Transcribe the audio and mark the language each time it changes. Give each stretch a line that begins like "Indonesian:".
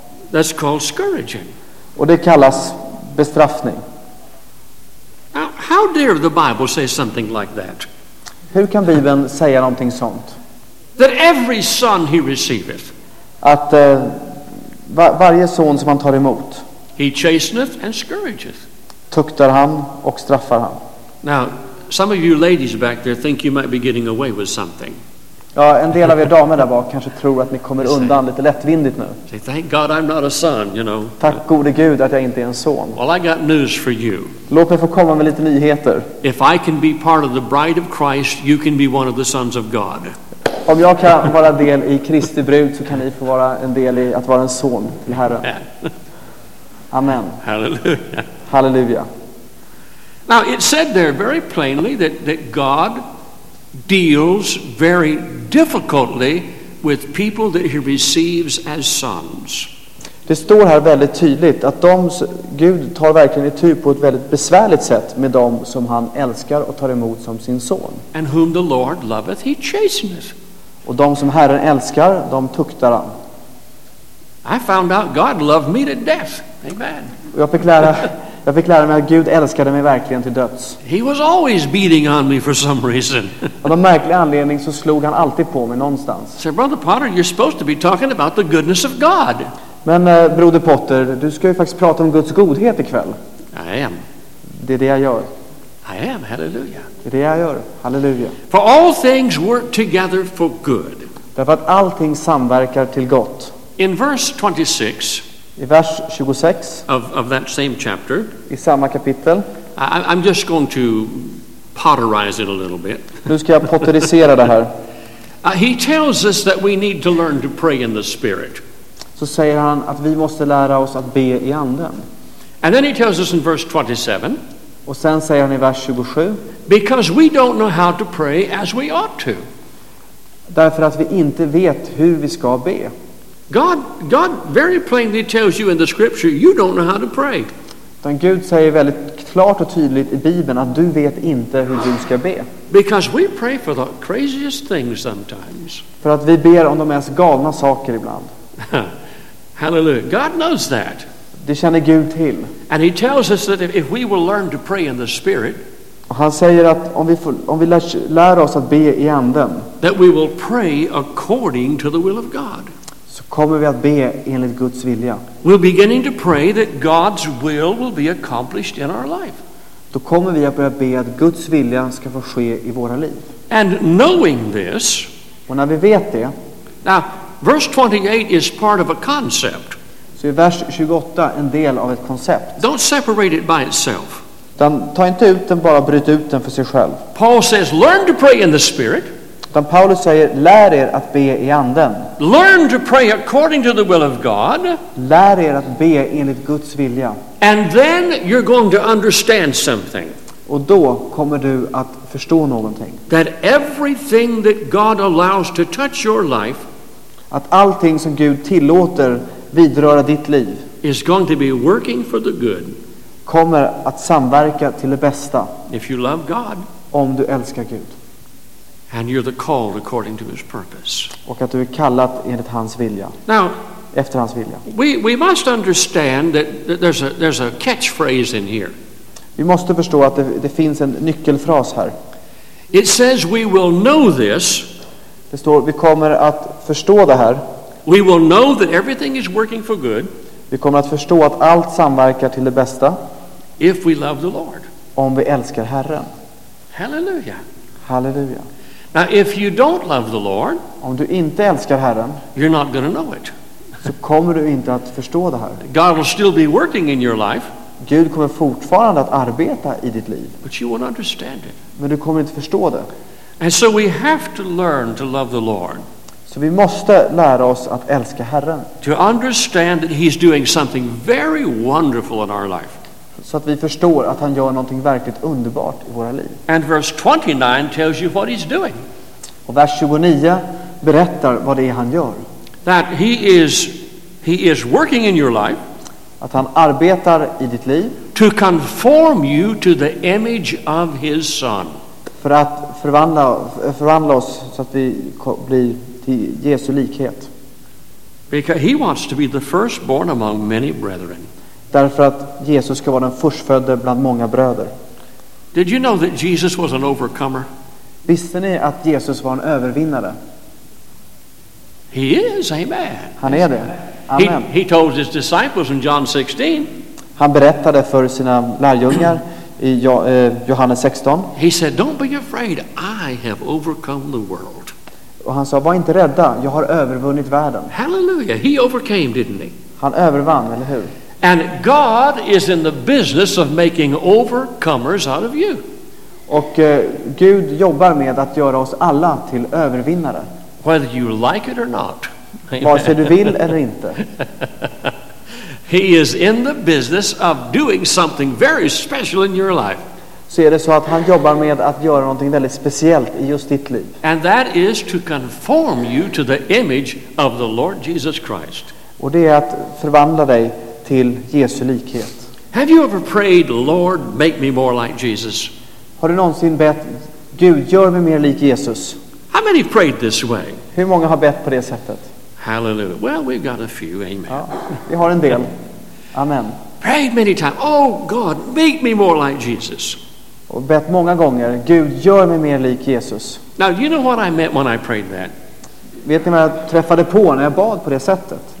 English: That's called scourging.
Swedish: Och det kallas bestraffning.
English: How dare the Bible say something like that?
Swedish: Hur kan Bibeln säga någonting sånt?
English: That every son he receiveth.
Swedish: Att varje son som han tar emot.
English: He chasteneth and scourgeth.
Swedish: Tuktar han och straffar han.
English: Now, some of you ladies back there think you might be getting away with something.
Swedish: Ja, en del av er damer där bak kanske tror att ni kommer undan lite lättvindigt nu.
English: Say, thank God I'm not a son, you know.
Swedish: Tack gode Gud att jag inte är en son.
English: Well, I got news for you.
Swedish: Låt mig få komma med lite nyheter.
English: If I can be part of the bride of Christ, you can be one of the sons of God.
Swedish: Om jag kan vara del i Kristi brud så kan ni få vara en del i att vara en son till Herren.
English: Amen.
Swedish: Halleluja. Halleluja.
English: Now it said there very plainly that God deals very difficultly with people that he receives as sons.
Swedish: Det står här väldigt tydligt att Gud tar verkligen itu på ett väldigt besvärligt sätt med dem som han älskar och tar emot som sin son.
English: And whom the Lord loveth, he chasteneth.
Swedish: Och de som Herren älskar, de tuktar han.
English: I found out God loved me to death. Amen.
Swedish: Jag fick lära mig att Gud älskade mig verkligen till döds.
English: He was always beating on me for some reason.
Swedish: Av någon märklig anledning så slog han alltid på mig någonstans.
English: So Brother Potter, you're supposed to be talking about the goodness of God.
Swedish: Men Broder Potter, du ska ju faktiskt prata om Guds godhet ikväll.
English: I am.
Swedish: Det är det jag gör.
English: I am, hallelujah.
Swedish: Det är det jag gör, hallelujah.
English: For all things work together for good.
Swedish: Därför att allting samverkar till gott.
English: In verse 26.
Swedish: I vers 26.
English: Of that same chapter.
Swedish: I samma kapitel.
English: I'm just going to potterize it a little bit.
Swedish: Nu ska jag potterisera det här.
English: He tells us that we need to learn to pray in the spirit.
Swedish: Så säger han att vi måste lära oss att be i anden.
English: And then he tells us in verse 27.
Swedish: Och sen säger han i vers 27.
English: Because we don't know how to pray as we ought to.
Swedish: Därför att vi inte vet hur vi ska be.
English: God very plainly tells you in the scripture you don't know how to pray.
Swedish: Men Gud säger väldigt klart och tydligt i Bibeln att du vet inte hur du ska be.
English: Because we pray for the craziest things sometimes.
Swedish: För att vi ber om de mest galna saker ibland.
English: Hallelujah. God knows that.
Swedish: Det känner Gud till.
English: And he tells us that if we will learn to pray in the spirit.
Swedish: Och han säger att om vi lär oss att be i anden.
English: That we will pray according to the will of God.
Swedish: Så kommer vi att be enligt Guds vilja.
English: We're beginning to pray that God's will be accomplished in our life.
Swedish: Då kommer vi att börja be att Guds vilja ska få ske i våra liv.
English: And knowing this.
Swedish: Och när vi vet det.
English: Now, verse 28 is part of a concept.
Swedish: Så är vers 28 en del av ett koncept.
English: Don't separate it by itself.
Swedish: Ta inte ut den, bara bryt ut den för sig själv.
English: Paul says, learn to pray in the spirit.
Swedish: Utan Paulus säger, lär er att be i anden.
English: Learn to pray according to the will of God.
Swedish: Lär er att be enligt Guds vilja.
English: And then you're going to understand something.
Swedish: Och då kommer du att förstå någonting.
English: That everything that God allows to touch your life.
Swedish: Att allting som Gud tillåter vidröra ditt liv.
English: Is going to be working for the good.
Swedish: Kommer att samverka till det bästa.
English: If you love God.
Swedish: Om du älskar Gud.
English: And you're the called according to his purpose.
Swedish: Och att du är kallad enligt hans vilja.
English: Now,
Swedish: efter hans vilja.
English: We must understand that there's a catchphrase in here.
Swedish: Vi måste förstå att det finns en nyckelfras här.
English: It says we will know this.
Swedish: Det står vi kommer att förstå det här.
English: We will know that everything is working for good.
Swedish: Vi kommer att förstå att allt samverkar till det bästa.
English: If we love the Lord.
Swedish: Om vi älskar Herren.
English: Hallelujah.
Swedish: Hallelujah.
English: Now, if you don't love the Lord,
Swedish: om du inte älskar Herren,
English: you're not going to know it.
Swedish: Så kommer du inte att förstå det här.
English: God will still be working in your life.
Swedish: Gud kommer fortfarande att arbeta i ditt liv.
English: But you won't understand it.
Swedish: Men du kommer inte förstå det.
English: And so we have to learn to love the Lord.
Swedish: Så vi måste lära oss att älska Herren.
English: To understand that he's doing something very wonderful in our life.
Swedish: Så att vi förstår att han gör någonting verkligt underbart i våra liv.
English: And verse 29 tells you what he's doing.
Swedish: Och vers 29 berättar vad det är han gör.
English: That he is working in your life.
Swedish: Att han arbetar i ditt liv.
English: To conform you to the image of his son.
Swedish: För att förvandla oss så att vi blir till Jesu likhet.
English: Because he wants to be the firstborn among many brethren.
Swedish: Därför att Jesus ska vara den förstfödde bland många bröder.
English: Did you know that Jesus was an overcomer?
Swedish: Visste ni att Jesus var en övervinnare?
English: He is, amen.
Swedish: Han är det. Amen.
English: He told his disciples in John 16.
Swedish: Han berättade för sina lärjungar i Johannes 16.
English: He said, "Don't be afraid. I have overcome the world."
Swedish: Och han sa, "Var inte rädda. Jag har övervunnit världen."
English: Hallelujah. He overcame, didn't he?
Swedish: Han övervann, eller hur?
English: And God is in the business of making overcomers out of you.
Swedish: Och Gud jobbar med att göra oss alla till övervinnare.
English: Whether you like it or not.
Swedish: Vare sig du vill eller inte.
English: He is in the business of doing something very special in your life.
Swedish: så är det så att han jobbar med att göra någonting väldigt speciellt i just ditt liv.
English: And that is to conform you to the image of the Lord Jesus Christ.
Swedish: Och det är att förvandla dig till Jesu likhet.
English: Have you ever prayed, Lord, make me more like Jesus?
Swedish: Har du någonsin bett, Gud, gör mig mer lik Jesus?
English: How many prayed this way?
Swedish: Hur många har bett på det sättet?
English: Hallelujah. Well, we've got a few. Amen.
Swedish: Ja, vi har en del. Amen.
English: Prayed many times. Oh God, make me more like Jesus.
Swedish: Och bett många gånger, Gud, gör mig mer lik Jesus.
English: Now, you know what I meant when I prayed that?
Swedish: Vet ni vad jag träffade på när jag bad på det sättet?